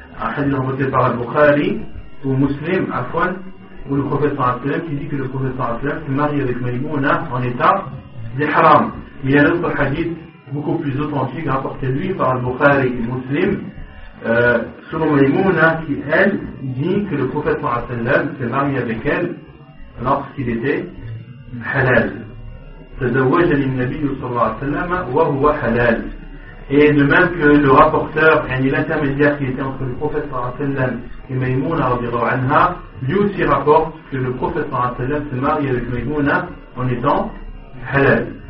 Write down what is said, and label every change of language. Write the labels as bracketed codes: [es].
[fr] hadith rapporté par Al-Bukhari ou Muslim, à quoi où le prophète sallallahu alayhi wa sallam dit que le prophète sallallahu alayhi wa sallam se marie avec Maïmouna en état d'Ihram. Il y a un autre hadith beaucoup plus authentique rapporté lui par Al-Bukhari et Muslim sur Maïmouna qui elle dit que le prophète sallallahu alayhi wa sallam se marie avec elle lorsqu'il était halal. [ar] تزوج للنبي صلى الله عليه وسلم وهو حلال. [fr] Et de même que le rapporteur, يعني l'intermédiaire qui était entre le prophète صلى الله عليه وسلم et Maïmouna رضي الله عنها, lui aussi rapporte que le prophète صلى الله عليه وسلم se marie avec Maïmouna en étant halal.